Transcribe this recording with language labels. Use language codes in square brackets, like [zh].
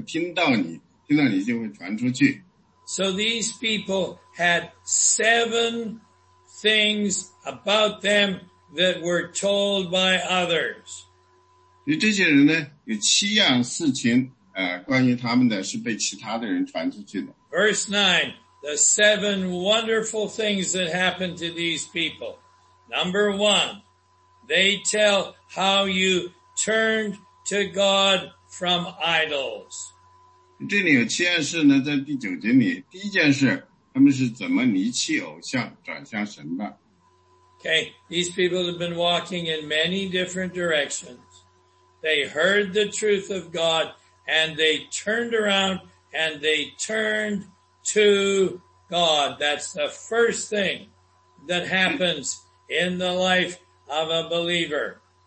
[zh] 这不是说这个发生在每一个人上，这个是发生在得胜的基督徒身上。如果你是一个得胜的基督徒，其他的人就会听到你，听到你就会传出去。 [en] So these people had seven things about them that were told by others. [zh] 这些人呢，有七样事情，关于他们的是被其他的人传出去的。 [en] Verse 9. The seven wonderful things that happen to these people. Number one, they tell how you turned to God from idols. [zh] 这里有七件事呢，在第九节里，第一件事，他们是怎么离弃偶像，转向神的。 [en] Okay, these people have been walking in many different directions. They heard the truth of God and they turned around and they turned to God. That's the first thing that happens in the life of a believer.